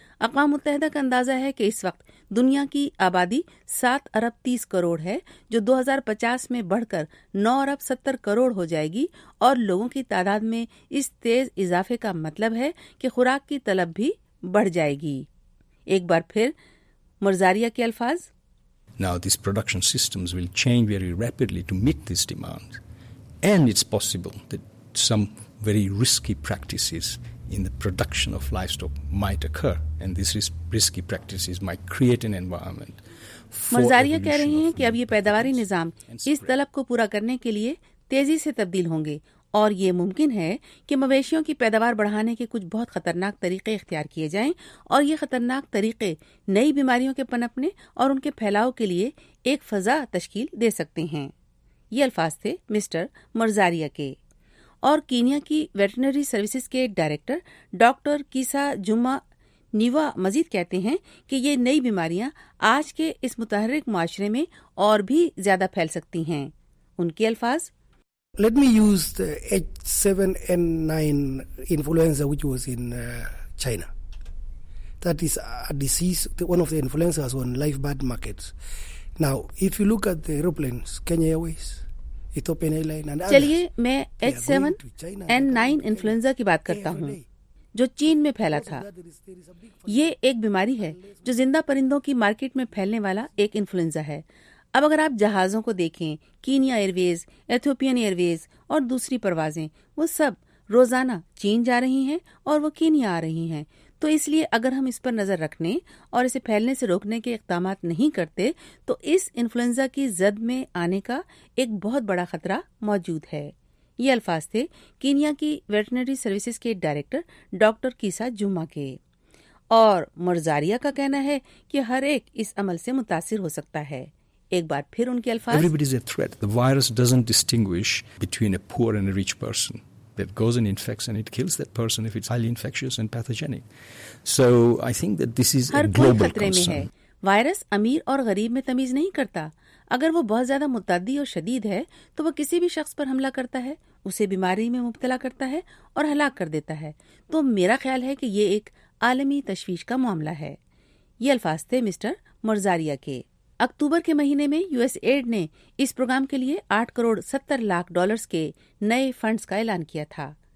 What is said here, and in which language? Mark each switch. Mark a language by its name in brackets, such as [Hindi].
[Urdu] اقوام متحدہ کا اندازہ ہے کہ اس وقت دنیا کی آبادی 7 ارب 30 کروڑ ہے، جو 2050 میں بڑھ کر 9 ارب 70 کروڑ ہو جائے گی، اور لوگوں کی تعداد میں اس تیز اضافے کا مطلب ہے کہ خوراک کی طلب بھی بڑھ جائے گی۔ ایک بار پھر مرزاریہ کے الفاظ، [English] Now these production systems will change very rapidly to meet this demand, and it's possible that some very risky practices in the production of livestock might occur, and these risky practices might create an environment. [Urdu] مرزاریہ کہہ رہے ہیں کہ اب یہ پیداواری نظام اس طلب کو پورا کرنے کے لیے تیزی سے تبدیل ہوں گے، اور یہ ممکن ہے کہ مویشیوں کی پیداوار بڑھانے کے کچھ بہت خطرناک طریقے اختیار کیے جائیں، اور یہ خطرناک طریقے نئی بیماریوں کے پنپنے اور ان کے پھیلاؤ کے لیے ایک فضا تشکیل دے سکتے ہیں۔ یہ الفاظ تھے مسٹر مرزاریہ کے۔ اور کینیا کی ویٹرنری سروسز کے ڈائریکٹر ڈاکٹر کیسا جمع نیوا مزید کہتے ہیں کہ یہ نئی بیماریاں آج کے اس متحرک معاشرے میں اور بھی زیادہ پھیل سکتی ہیں۔ ان کے الفاظ، [English] Let me use the H7N9 influenza which was in China. That is a disease, one of the influencers on live bird markets. Now, if you look at the airplanes, Kenya Airways, Ethiopian Airlines and others, [Urdu] چلیے میں H7N9 influenza کی بات کرتا ہوں جو چین میں پھیلا تھا۔ یہ ایک بیماری ہے جو زندہ پرندوں کی مارکیٹ میں پھیلنے والا ایک انفلوئنزا ہے۔ اب اگر آپ جہازوں کو دیکھیں، کینیا ایئر ویز، ایتھوپین ایئر ویز اور دوسری پروازیں، وہ سب روزانہ چین جا رہی ہیں اور وہ کینیا آ رہی ہیں۔ تو اس لیے اگر ہم اس پر نظر رکھنے اور اسے پھیلنے سے روکنے کے اقدامات نہیں کرتے تو اس انفلوئنزا کی زد میں آنے کا ایک بہت بڑا خطرہ موجود ہے۔ یہ الفاظ تھے کینیا کی ویٹرنری سروسز کے ڈائریکٹر ڈاکٹر کیسا جمع کے۔ اور مرزاریہ کا کہنا ہے کہ ہر ایک اس عمل سے متاثر ہو سکتا ہے۔ ایک بار پھر ان کے الفاظ، [English] Everybody is a threat. The virus doesn't distinguish between a poor and a rich person. It goes and infects and it kills that person if it's highly infectious and pathogenic. So I think that this is a global concern. [Urdu] ہر کوئی خطرے میں ہے۔ Virus امیر اور غریب میں تمیز نہیں کرتا۔ اگر وہ بہت زیادہ متعدی اور شدید ہے تو وہ کسی بھی شخص پر حملہ کرتا ہے، اسے بیماری میں مبتلا کرتا ہے اور ہلاک کر دیتا ہے۔ تو میرا خیال ہے کہ یہ ایک عالمی تشویش کا معاملہ ہے۔ یہ الفاظ تھے مسٹر مرزاریہ کے۔ اکتوبر کے مہینے میں یو ایس ایڈ نے اس پروگرام کے لیے 8 کروڑ 70 لاکھ ڈالرز کے نئے فنڈز کا اعلان کیا تھا۔